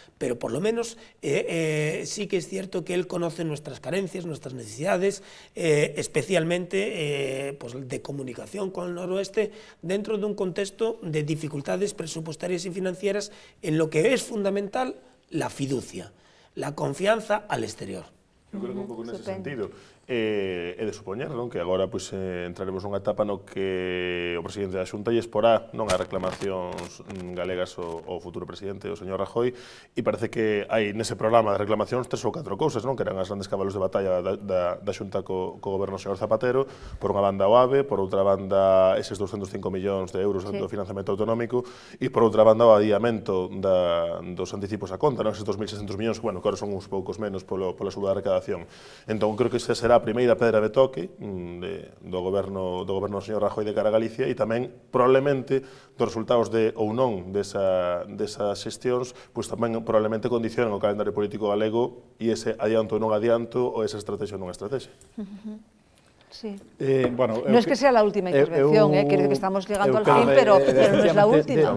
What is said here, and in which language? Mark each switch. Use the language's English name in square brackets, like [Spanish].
[Spanish] Pero por lo menos sí que es cierto que él conoce nuestras carencias, nuestras necesidades, especialmente pues de comunicación con el noroeste, dentro de un contexto de dificultades presupuestarias y financieras, en lo que es fundamental la fiducia, la confianza al exterior. Yo creo que [Galician] un pouco nese sentido é de supoñer, non? Que agora pois, entraremos nunha etapa no que o presidente da Xunta lle exporá, non, as reclamacións galegas ao futuro presidente, o señor Rajoy, e parece que hai nese programa de reclamacións tres ou catro cousas, non? Que eran as grandes cabalos de batalla da Xunta co goberno do señor Zapatero, por unha banda o AVE, por outra banda eses 205 millóns de euros do financiamento autonómico, e por outra banda o adiamento dos anticipos a conta, non? Eses 2.600 millóns, bueno, que agora son uns poucos menos pola suba da recadación. Entón, creo que ese será a primeira pedra de toque do goberno do señor Rajoy de cara a Galicia e tamén probablemente dos resultados de ou non desas xestións, pois tamén probablemente condicionan o calendario político galego e ese adianto ou non adianto ou esa estrategia ou non estrategia. [Spanish] Sí. Bueno, no es que sea la última intervención, creo que estamos llegando al fin, pero no es la última.